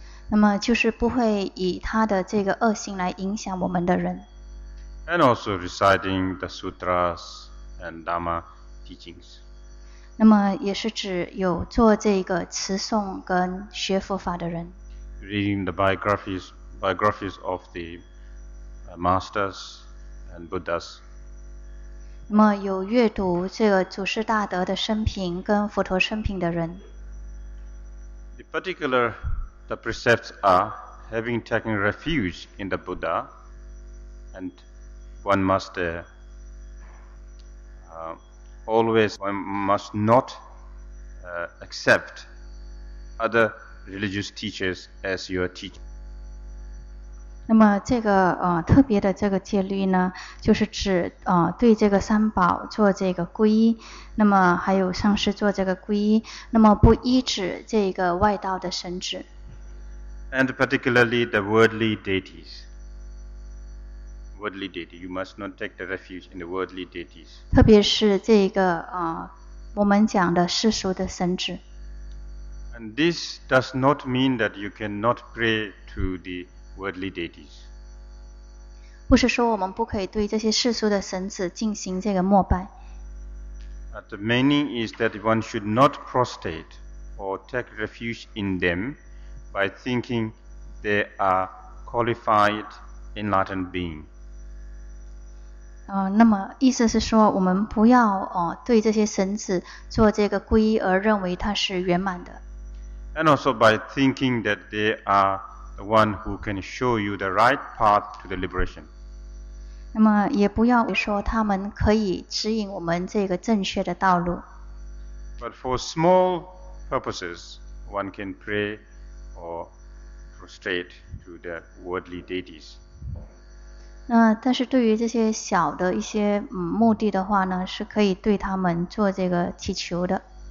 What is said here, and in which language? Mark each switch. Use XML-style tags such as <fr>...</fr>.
<zh>那么就是不会以他的这个恶行来影响我们的人。</zh> <en>And also reciting the sutras and Dharma teachings.</en> <zh>那么也是指有做这个持诵跟学佛法的人。</zh> <en>Reading the biographies of the masters and Buddhas.</en> <zh>那么有阅读这个祖师大德的生平跟佛陀生平的人。</zh> <en>The particular the precepts are having taken refuge in the Buddha, and one must always one must not accept other religious teachers as your teacher.</en> <zh>那么这个特别的这个戒律呢，就是指对这个三宝做这个皈依，那么还有上师做这个皈依，那么不依止这个外道的神旨。</zh> <en>And particularly the worldly deities. Worldly deity, you must not take the refuge in the worldly deities.</en> <zh>特别是这个我们讲的世俗的神旨。</zh> <en>And this does not mean that you cannot pray to the. Worldly deities.</en> <zh>不是说我们不可以对这些世俗的神子进行这个膜拜。</zh> <en>But the meaning is that one should not prostrate or take refuge in them by thinking they are qualified enlightened being.</en> <zh>那么意思是说我们不要对这些神子做这个皈依而认为它是圆满的。</zh> <en>And also by thinking that they areThe one who can show you the right path to the liberation.</en> <zh>那么也不要说他们可以指引我们这个正确的道路。</zh> <en>But for small purposes, one can pray or prostrate to the worldly deities.</en> <zh>那但是对于这些小的一些目的的话呢，是可以对他们做这个祈求的。</zh>